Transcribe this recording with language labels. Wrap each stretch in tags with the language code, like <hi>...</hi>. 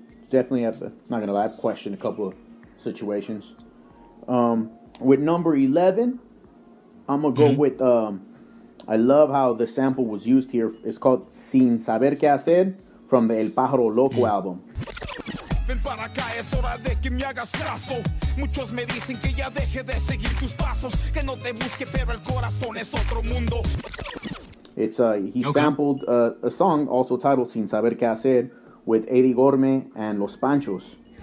<en>Definitely have to, not going to lie, I've questioned a couple of situations. With number 11, I'm going to go with, I love how the sample was used here. It's called Sin Saber Qué Hacer from the El Pájaro Loco album.</en> <es>Ven para acá, es hora de que me hagas caso. Muchos me dicen que ya deje de seguir tus pasos, que no te busque, pero el corazón es otro mundo.</es> <en>It's sampled a song also titled Sin Saber Qué Hacer with Eddie Gorme and Los Panchos.</en>